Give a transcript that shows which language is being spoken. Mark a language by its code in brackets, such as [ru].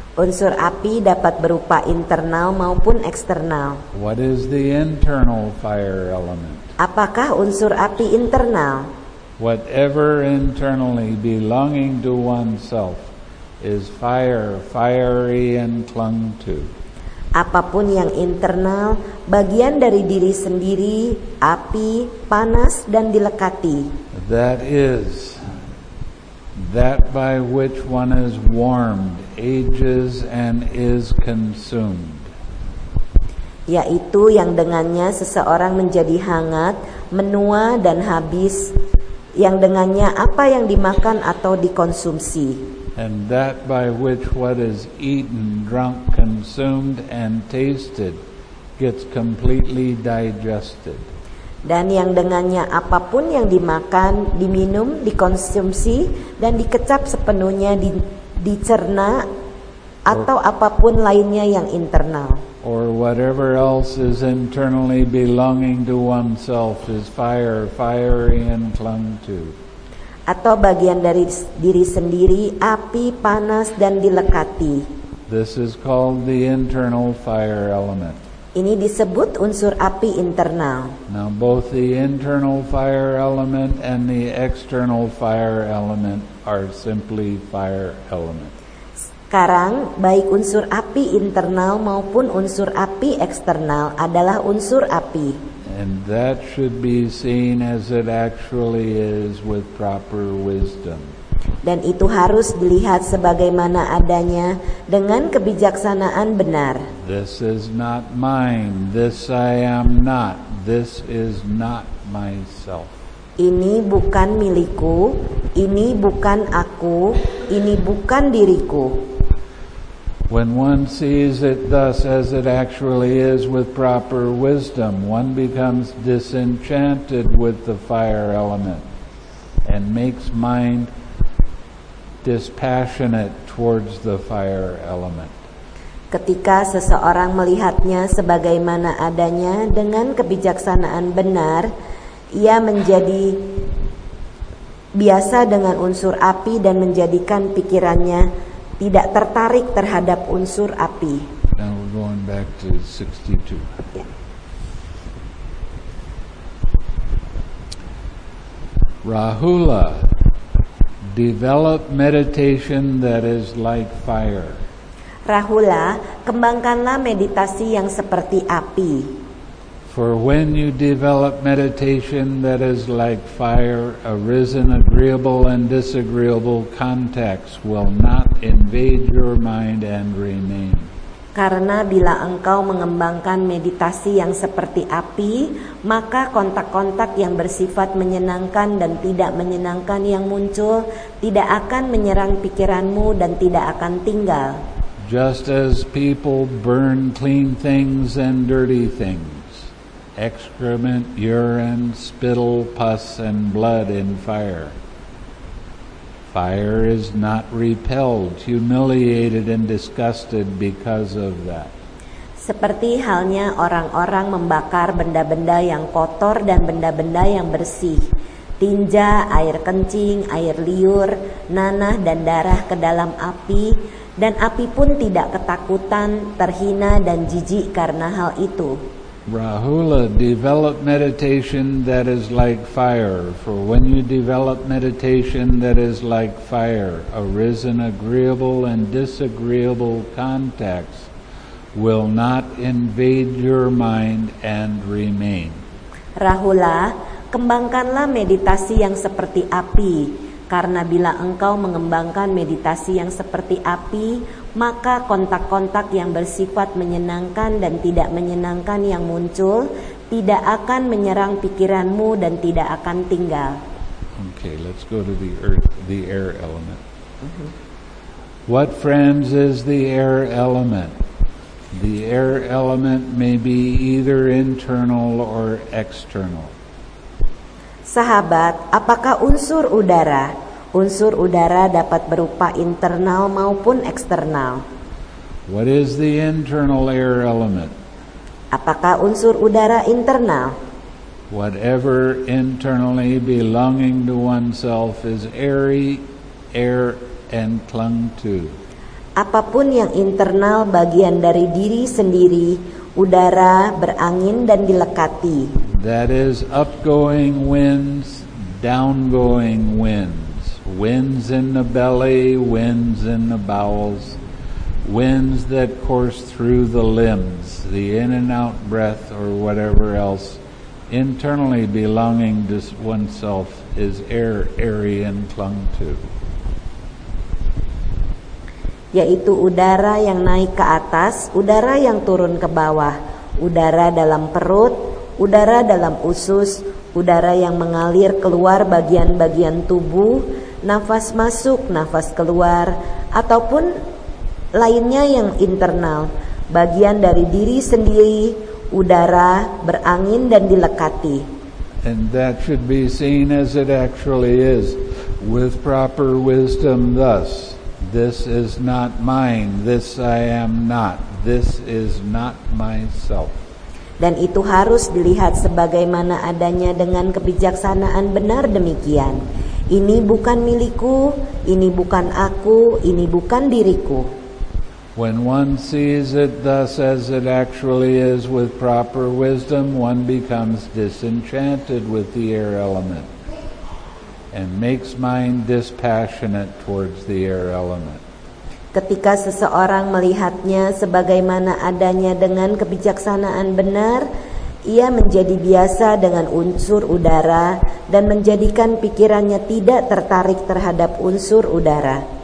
[id] Unsur api dapat berupa internal maupun eksternal. [en] What is the internal fire element? [id] Apakah unsur api internal? [en] Whatever internally belonging to oneself is fire, fiery and clung to. [id] Apapun yang internal, bagian dari diri sendiri, api, panas dan dilekati. [en] That is that by which one is warmed, ages and is consumed. [id] Yaitu yang dengannya seseorang menjadi hangat, menua, dan habis, yang dengannya apa yang dimakan atau dikonsumsi. [en] And that by which what is eaten, drunk, consumed, and tasted gets completely digested. [id] Dan yang dengannya apapun yang dimakan, diminum, dikonsumsi, dan dikecap sepenuhnya dicerna, atau apapun lainnya yang internal. [en] Or whatever else is internally belonging to oneself is fire, fiery and clung to. [id] Atau bagian dari diri sendiri, api, panas, dan dilekati. [en] This is called the internal fire element. [id] Ini disebut unsur api internal. [en] Now both the internal fire element and the external fire element are simply fire element. [id] Sekarang, baik unsur api internal maupun unsur api eksternal adalah unsur api. [en] And that should be seen as it actually is with proper wisdom. [id] dan itu harus dilihat sebagaimana adanya dengan kebijaksanaan benar. [en] This is not mine. This I am not. This is not myself. [id] Ini bukan milikku. Ini bukan aku. Ini bukan diriku. [en] When one sees it thus as it actually is with proper wisdom, one becomes disenchanted with the fire element and makes mind dispassionate towards the fire element. [id] Ketika seseorang melihatnya sebagaimana adanya dengan kebijaksanaan benar, ia menjadi biasa dengan unsur api dan menjadikan pikirannya tidak tertarik terhadap unsur api. [en] Now we're going back to 62. Rahula, develop meditation that is like fire. [id] Rahula, kembangkanlah meditasi yang seperti api. [en] For when you develop meditation that is like fire, arisen agreeable and disagreeable contacts will not invade your mind and remain. [id] Karena bila engkau mengembangkan meditasi yang seperti api, maka kontak-kontak yang bersifat menyenangkan dan tidak menyenangkan yang muncul tidak akan menyerang pikiranmu dan tidak akan tinggal. [en] Just as people burn clean things and dirty things, excrement, urine, spittle, pus, and blood in fire. Fire is not repelled, humiliated, and disgusted because of that. [id] Seperti halnya orang-orang membakar benda-benda yang kotor dan benda-benda yang bersih, tinja, air kencing, air liur, nanah, dan darah ke dalam api, dan api pun tidak ketakutan, terhina, dan jijik karena hal itu. [en] Rahula, develop meditation that is like fire, for when you develop meditation that is like fire, arisen agreeable and disagreeable contacts will not invade your mind and remain. [id] Rahula, kembangkanlah meditasi yang seperti api, karena bila engkau mengembangkan meditasi yang seperti api, maka kontak-kontak yang bersifat menyenangkan dan tidak menyenangkan yang muncul tidak akan menyerang pikiranmu dan tidak akan tinggal. [en] Okay, let's go to the earth, the air element. What friends is the air element? The air element may be either internal or external. [id] Sahabat, apakah unsur udara? Unsur udara dapat berupa internal maupun eksternal. [en] What is the internal air element? [id] Apakah unsur udara internal? [en] Whatever internally belonging to oneself is airy, air, and clung to. [id] Apapun yang internal bagian dari diri sendiri, udara, berangin, dan dilekati. [en] That is upgoing winds, downgoing winds. Winds in the belly, winds in the bowels, winds that course through the limbs, the in and out breath or whatever else internally belonging to oneself is air, airy, and clung to. [id] Yaitu udara yang naik ke atas, udara yang turun ke bawah, udara dalam perut, udara dalam usus, udara yang mengalir keluar bagian-bagian tubuh, nafas masuk, nafas keluar, ataupun lainnya yang internal, bagian dari diri sendiri, udara, berangin, dan dilekati. [en] And that should be seen as it actually is, with proper wisdom thus. This is not mine, this I am not, this is not myself. [id] Dan itu harus dilihat sebagaimana adanya dengan kebijaksanaan benar demikian. Ini bukan milikku, ini bukan aku, ini bukan diriku. [en] When one sees it thus as it actually is with proper wisdom, one becomes disenchanted with the air element and makes mind dispassionate towards the air element. [id] Ketika seseorang melihatnya sebagaimana adanya dengan kebijaksanaan benar, Ia menjadi biasa dengan unsur udara dan menjadikan pikirannya tidak tertarik terhadap unsur udara.